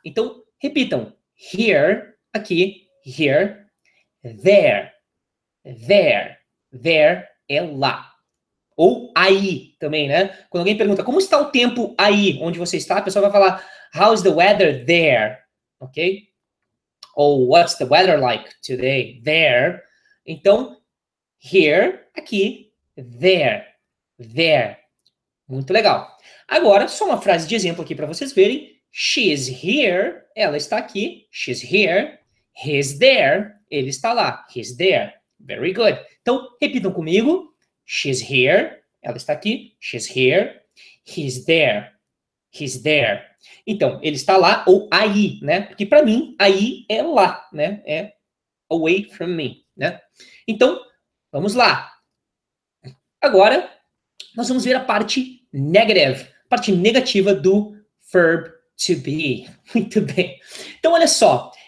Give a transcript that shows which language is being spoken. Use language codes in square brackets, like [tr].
[pt] Então, repitam. Here, aqui, here, there, there, there, é lá. Ou aí também, né? Quando alguém pergunta, como está o tempo aí, onde você está, a pessoa vai falar, [en] how's the weather there, [pt] ok? Ou [en] what's the weather like today, there. [pt] Então, here, aqui, there, there. Muito legal. Agora, só uma frase de exemplo aqui para vocês verem. [en] She's here, [pt] ela está aqui. [en] She's here, he's there, [pt] ele está lá. [en] He's there, very good. [pt] Então, repitam comigo. [en] She's here, [pt] ela está aqui. [en] She's here, he's there, he's there. [pt] Então, ele está lá ou aí, né? Porque para mim, aí é lá, né? É [en] away from me, [pt] né? Então, vamos lá. Agora, nós vamos ver a parte negative, parte negativa do verb to be. Muito bem. Então, olha só.